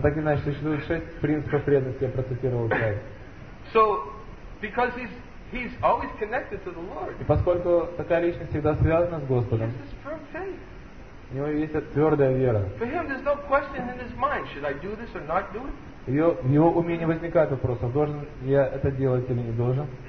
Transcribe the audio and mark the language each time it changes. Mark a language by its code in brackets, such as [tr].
[ru] Так или иначе, существует шесть принципов преданности. Я процитировал пять. [en] So, because he's always connected to the Lord. [ru] И поскольку такая личность всегда связана с Господом. [en] He has this firm faith. [ru] У него есть твердая вера. [en] For him, there's no question in his mind. Should I do this or not do it? [ru] В его уме не возникает вопросов, должен я это делать или не должен.